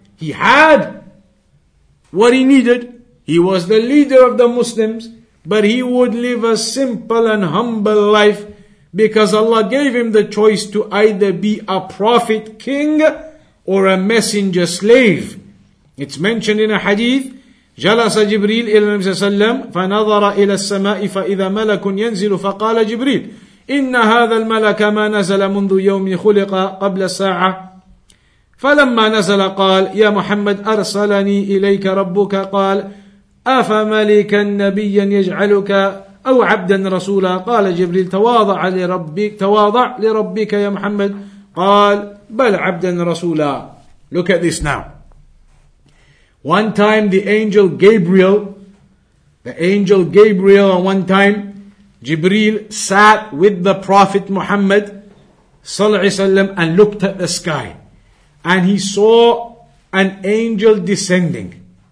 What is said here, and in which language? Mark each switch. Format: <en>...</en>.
<en>He had what he needed. He was the leader of the Muslims, but he would live a simple and humble life because Allah gave him the choice to either be a prophet king or a messenger slave. It's mentioned in a hadith,</en> <ar>جلس جبريل إلى النبي صلى الله عليه وسلم فنظر إلى السماء فإذا ملك ينزل فقال جبريل إن هذا الملك ما نزل منذ يوم خلق قبل ساعة فلما نزل قال يا محمد أرسلني إليك ربك قال أفملك النبي يجعلك أو عبدا رسولا قال جبريل تواضع لربك يا محمد قال بل عبدا رسولا.</ar> <en>Look at this now. One time the angel Gabriel, and one time Jibreel sat with the Prophet Muhammad sallallahu alaihi wasallam and looked at the sky, and he saw an angel descending.</en>